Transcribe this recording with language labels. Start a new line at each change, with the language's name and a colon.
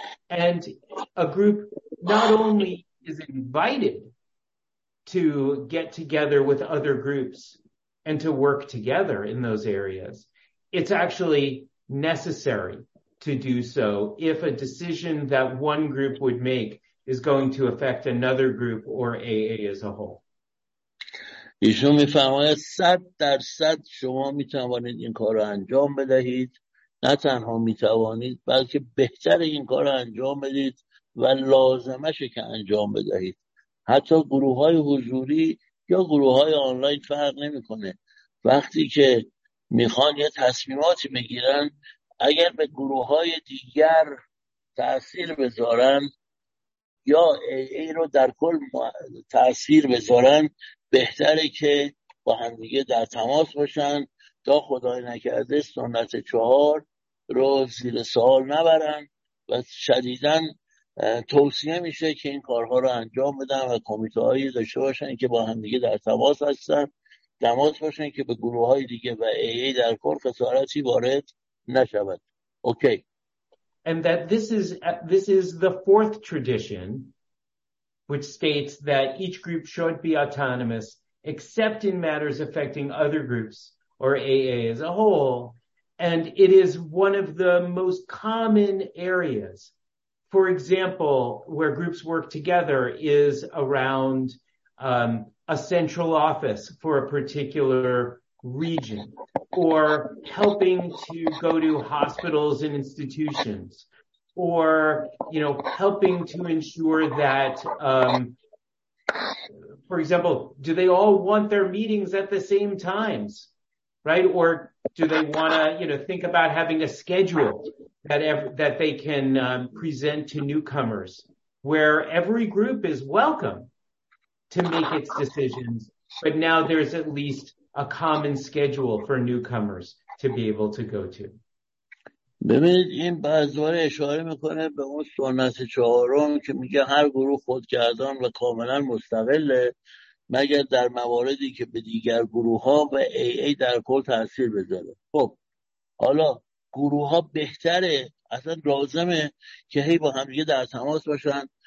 English: And a group not only is invited to get together with other groups and to work together in those areas, it's actually necessary to do so if a decision that one group would make is going to affect another group or AA as a whole.
Persian: ایشون می فرماید 100% شما می توانید این کار را انجام بدهید، نه تنها می توانید بلکه بهتر این کار را انجام بدید و لازمشه که انجام بدهید. حتی گروه های حضوری یا گروه های آنلاین فرق نمی کنه. وقتی که می خوان یه تصمیماتی بگیرن، اگر به گروه های دیگر تأثیر بذارن یا AA رو در کل تأثیر بذارن، بهتره که با همدیگه در تماس باشن تا خدای نکرده سنت چهار رو زیر سوال نبرن. و شدیداً توصیه میشه که این کارها رو انجام بدن و کمیته هایی داشته باشن که با همدیگه در تماس هستن، تماس باشن که به گروه های دیگه و AA در کل خسارتی وارد نشود.
English: Okay. And that this is the fourth tradition, which states that each group should be autonomous, except in matters affecting other groups or AA as a whole. And it is one of the most common areas. For example, where groups work together is around a central office for a particular region, or helping to go to hospitals and institutions, or, you know, helping to ensure that, for example, do they all want their meetings at the same times, right? Or do they want to, you know, think about having a schedule that that they can present to newcomers, where every group is welcome to make its decisions, but now there's at least a common schedule for newcomers to be able to go to.
Persian: ببینید این بازواره اشاره میکنه به اون سنت چهارم که میگه هر گروه خودگردان و کاملا مستقله، مگر در مواردی که به دیگر گروه ها و AA در کل تأثیر بذاره. خب حالا گروه ها بهتره، اصلا لازمه که هی با همدیگه در تماس باشن.